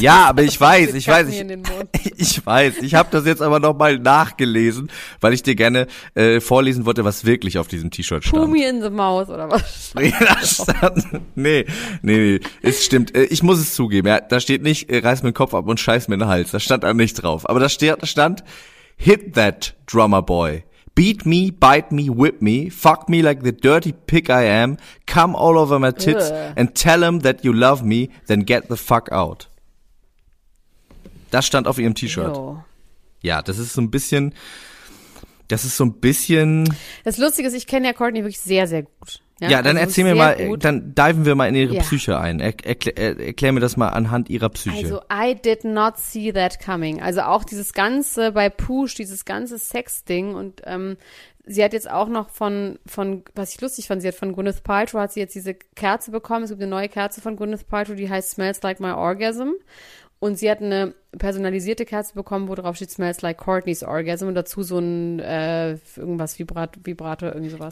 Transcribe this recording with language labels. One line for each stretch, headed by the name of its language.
German: Ja, aber ich weiß, ich habe das jetzt aber nochmal nachgelesen, weil ich dir gerne vorlesen wollte, was wirklich auf diesem T-Shirt stand.
English: Pumi in the Mouse
German: oder was? Nee, es stimmt. Ich muss es zugeben, ja, da steht nicht, reiß mir den Kopf ab und scheiß mir in den Hals. Da stand da nicht drauf. Aber da stand,
English: hit that drummer boy. Beat me, bite me, whip me, fuck me like the dirty pig I am, come all over my tits and tell him that you love me, then get the fuck out.
German: Das stand auf ihrem T-Shirt. Yo. Ja, das ist so ein bisschen. Das Lustige ist, ich kenne ja Courtney wirklich sehr, sehr gut. Ja, ja, dann also erzähl mir mal, gut. Dann diven wir mal in ihre Psyche ein. Erklär mir das mal anhand ihrer Psyche.
English: Also, I did not see that coming.
German: Also auch dieses ganze bei Push, dieses ganze Sex-Ding. Und sie hat jetzt auch noch von was ich lustig fand, sie hat von Gwyneth Paltrow, hat sie jetzt diese Kerze bekommen. Es gibt eine neue Kerze von Gwyneth Paltrow, die heißt Smells Like My Orgasm. Und sie hat eine personalisierte Kerze bekommen, wo drauf steht Smells Like Courtney's Orgasm und dazu so ein irgendwas Vibrator, irgendwie sowas.